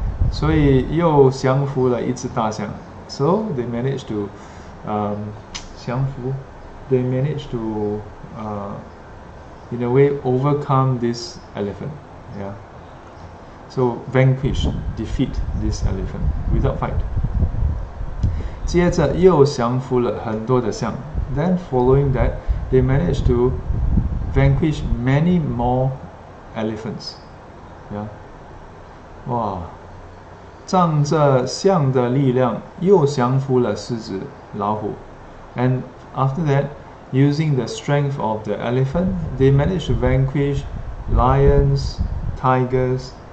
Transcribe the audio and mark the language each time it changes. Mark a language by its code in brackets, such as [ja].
[zh] 所以又降服了一只大象。 [en] So they managed to 降服 they managed to in a way overcome this elephant. Yeah. So vanquish, defeat this elephant without fight. [zh] 接着又降服了很多的象. [en] Then following that, they managed to vanquish many more elephants. Yeah. Wow. [zh] 仗着象的力量又降服了狮子、老虎. [en] And after that, using the strength of the elephant, they managed to vanquish lions, tigers.